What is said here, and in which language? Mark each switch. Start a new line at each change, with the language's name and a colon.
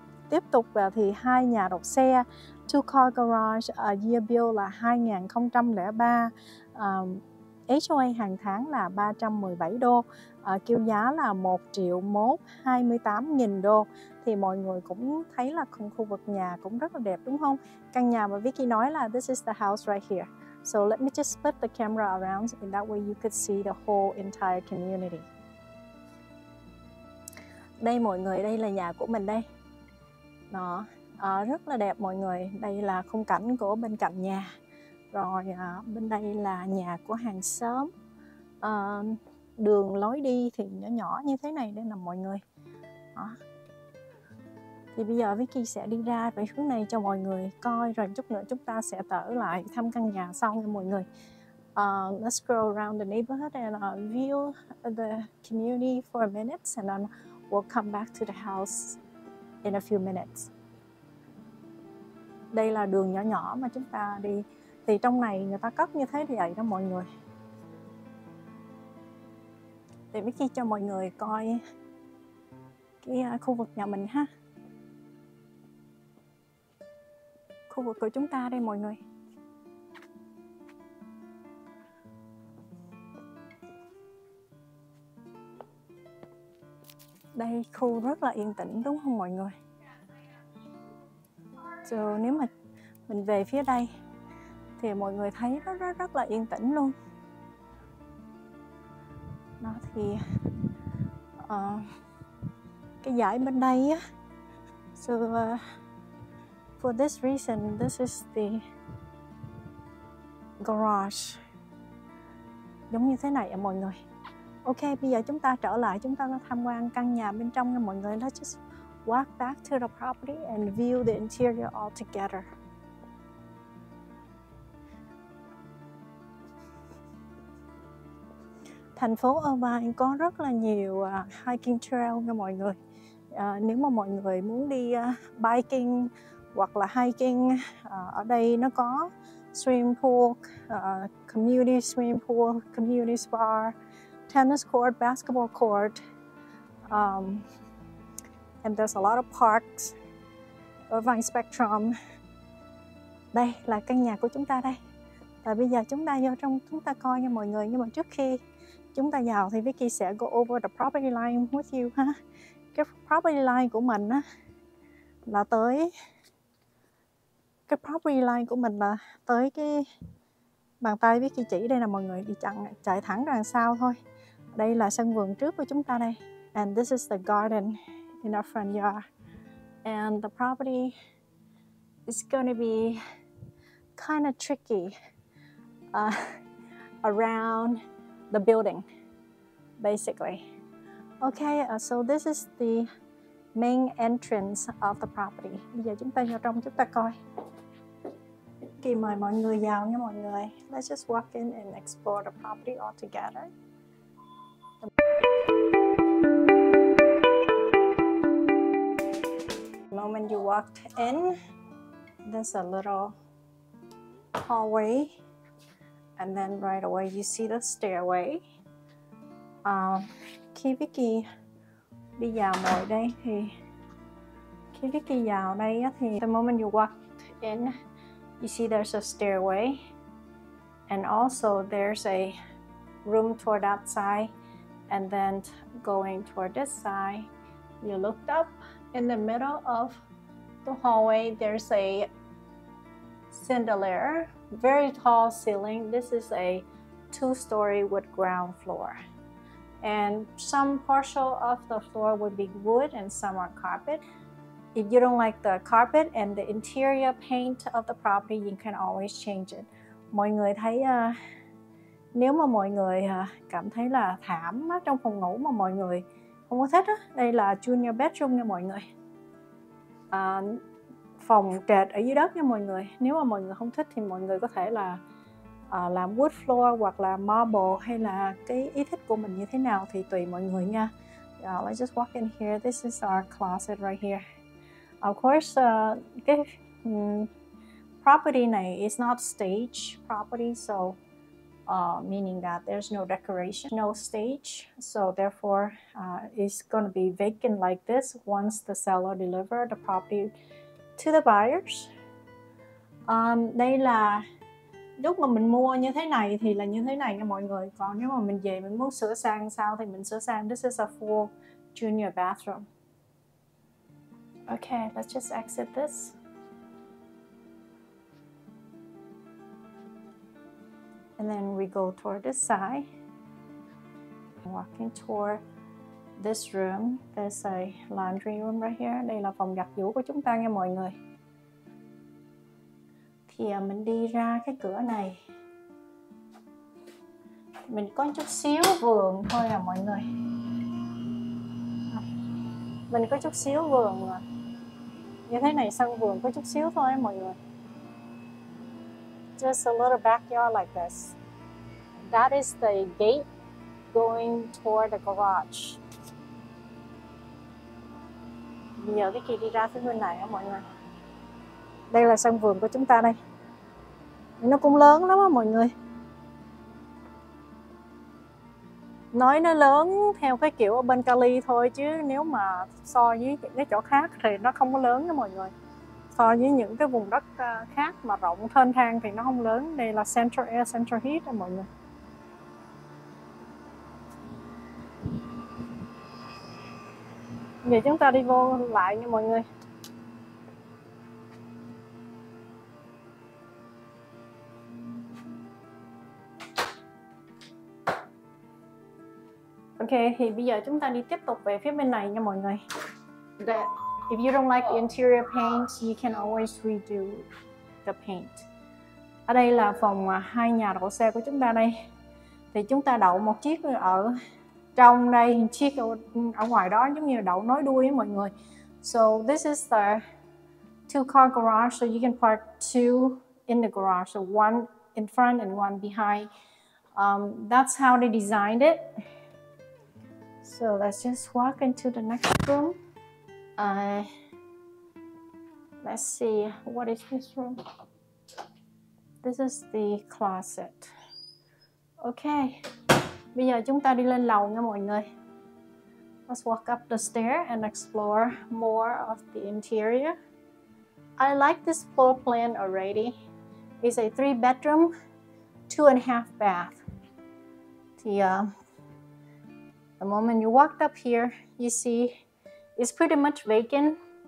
Vietnamese: Tiếp tục là thì hai nhà đậu xe,
English: 2-car garage, year bill
Vietnamese: là 2003, HOA hàng tháng là $317, kêu giá là $1,128,000. Thì mọi người cũng thấy là khu vực nhà cũng rất là đẹp đúng không? Căn nhà mà Vicky nói là
English: this is the house right here. So let me just flip the camera around and that way you could see the whole entire community.
Vietnamese: Đây mọi người, đây là nhà của mình đây. Đó, rất là đẹp mọi người. Đây là khung cảnh của bên cạnh nhà. Rồi bên đây là nhà của hàng xóm. Đường lối đi thì nhỏ nhỏ như thế này đây nè mọi người. Đó. Thì bây giờ Vicky sẽ đi ra về hướng này cho mọi người coi, rồi chút nữa chúng ta sẽ tở lại thăm căn nhà sau nha mọi người.
English: Let's go around the neighborhood and view the community for a minute and then we'll come back to the house in a few minutes.
Vietnamese: Đây là đường nhỏ nhỏ mà chúng ta đi. Thì trong này người ta cất như thế thì vậy đó mọi người. Để Vicky cho mọi người coi cái khu vực nhà mình ha. Khu vực của chúng ta đây mọi người. Đây khu rất là yên tĩnh đúng không mọi người? Rồi nếu mà mình về phía đây thì mọi người thấy nó rất là yên tĩnh luôn. Đó thì cái dải bên đây á.
English: For this reason, this is the garage.
Vietnamese: Giống như thế này à mọi người. Ok, bây giờ chúng ta trở lại, chúng ta tham quan căn nhà bên trong nha mọi người.
English: Let's just walk back to the property and view the interior all together.
Vietnamese: Thành phố Irvine có rất là nhiều hiking trail nha mọi người. Nếu mà mọi người muốn đi
English: biking hoặc là hiking,
Vietnamese: ở đây nó có
English: swimming pool, community swimming pool, community spa, tennis court, basketball court, and there's a lot of parks, Irvine Spectrum.
Vietnamese: Đây là căn nhà của chúng ta đây. Và bây giờ chúng ta vô trong chúng ta coi nha mọi người. Nhưng mà trước khi chúng ta vào thì Vicky sẽ
English: go over the property line with you
Vietnamese: ha. Cái property line của mình á là tới cái property line của mình là tới cái bàn tay Vicky chỉ đây nè mọi người, đi chặn chạy thẳng đằng sau thôi. Đây là sân vườn trước của chúng ta đây.
English: And this is the garden in our front yard. And the property is going to be kind of tricky around the building basically. Okay, so this is the main entrance of the property.
Vietnamese: Bây giờ chúng ta vào trong chúng ta coi. Kỳ mời mọi người vào nha mọi người.
English: Let's just walk in and explore the property all together. The moment you walked in, there's a little hallway, and then right away you see the stairway.
Vietnamese: Khi Vicky đi vào mọi đây thì khi Vicky vào đây á thì
English: the moment you walk in, you see there's a stairway, and also there's a room toward that side, and then going toward this side, you looked up in the middle of the hallway. There's a chandelier, very tall ceiling. This is a two-story with ground floor, and some partial of the floor would be wood and some are carpet. If you don't like the carpet and the interior paint of the property, you can always change it.
Vietnamese: Mọi người thấy nếu mà mọi người cảm thấy là thảm trong phòng ngủ mà mọi người không có thích á, đây là junior bedroom nha mọi người. Phòng trệt ở dưới đất nha mọi người. Nếu mà mọi người không thích thì mọi người có thể là làm wood floor hoặc là marble hay là cái ý thích của mình như thế nào thì tùy mọi người nha.
English: Let's just walk in here. This is our closet right here. Of course, cái property này is not stage property, so meaning that there's no decoration, no stage, so therefore it's going to be vacant like this once the seller deliver the property to the buyers.
Vietnamese: Đây là lúc mà mình mua như thế này thì là như thế này nha mọi người. Còn nếu mà mình về mình muốn sửa sang sao thì mình sửa sang.
English: This is a full junior bathroom. Okay, let's just exit this. And then we go toward this side. Walking toward this room. There's a laundry room right here.
Vietnamese: Đây là phòng giặt giũ của chúng ta nha mọi người. Thì mình đi ra cái cửa này. Mình có chút xíu vườn thôi à mọi người. Mình có chút xíu vườn à. Như thế này sân vườn có chút xíu thôi mọi người.
English: Just a little backyard like this. That is the gate going toward the garage.
Vietnamese: Nhớ cái kia đi ra phía bên này mọi người. Đây là sân vườn của chúng ta đây. Nó cũng lớn lắm á mọi người. Nói nó lớn theo cái kiểu ở bên Cali thôi, chứ nếu mà so với cái chỗ khác thì nó không có lớn nha mọi người. So với những cái vùng đất khác mà rộng thênh thang thì nó không lớn. Đây là central air, central heat nha mọi người. Vậy chúng ta đi vô lại nha mọi người. Ok, thì bây giờ chúng ta đi tiếp tục về phía bên này nha mọi người.
English: If you don't like the interior paint, you can always redo the paint.
Vietnamese: Ở đây là phòng hai nhà đậu xe của chúng ta đây. Thì chúng ta đậu một chiếc ở trong đây, chiếc ở ngoài đó giống như đậu nối đuôi á mọi người.
English: So this is the two car garage, so you can park two in the garage, so one in front and one behind. That's how they designed it. So let's just walk into the next room. Let's see, what is this room? This is the closet.
Vietnamese: Okay, bây giờ chúng ta đi lên lầu nha mọi người.
English: Let's walk up the stair and explore more of the interior. I like this floor plan already. It's a three bedroom, two and a half bath. Thì, the moment you walked up here, you see it's pretty much vacant.